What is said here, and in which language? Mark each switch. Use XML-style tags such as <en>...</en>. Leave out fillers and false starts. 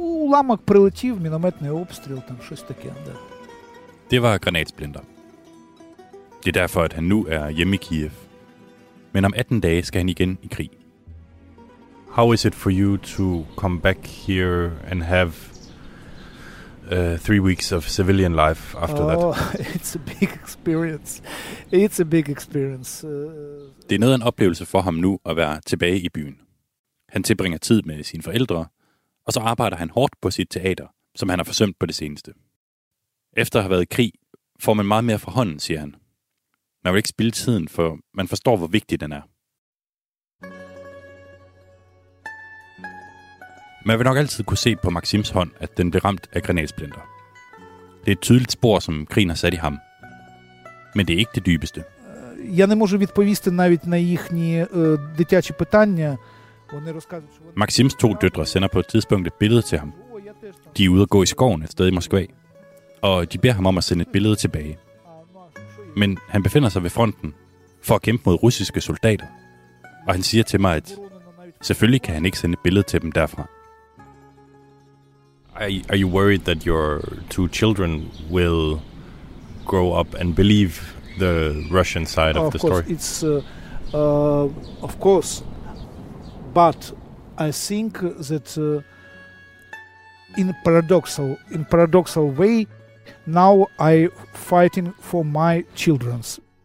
<uk>Уламок прилетів, мінометний обстріл, там щось таке, да.</uk> <da>Det var granatsplinter. Det er derfor, at han nu er hjemme i Kiev. Men om 18 dage skal han igen i krig.</da> <en>How is it for you to come back here and have 3 weeks of civilian life after that? It's a big experience. It's a big experience.</en> <da>Det er noget af en oplevelse for ham nu at være tilbage i byen. Han tilbringer tid med sine forældre, og så arbejder han hårdt på sit teater, som han har forsømt på det seneste. Efter at have været i krig, får man meget mere fra hånden, siger han. Man vil ikke spilde tiden, for man forstår, hvor vigtig den er. Man vil nok altid kunne se på Maxims hånd, at den blev ramt af granatsplinter. Det er et tydeligt spor, som krigen har sat i ham. Men det er ikke det dybeste. Jeg</da> <uk>не можу відповісти навіть на їхні дитячі питання.</uk> <da>Maxims to døtre sender på et tidspunkt et billede til ham. De er ude at gå i skoven et sted i Moskva, og de beder ham om at sende et billede tilbage. Men han befinder sig ved fronten for at kæmpe mod russiske soldater, og han siger til mig, at selvfølgelig kan han ikke sende et billede til dem derfra.</da> <en>Are you worried that your two children will grow up and believe the Russian side of the story? Of course. But I think that in paradoxal way, now I fighting for my children's.</en>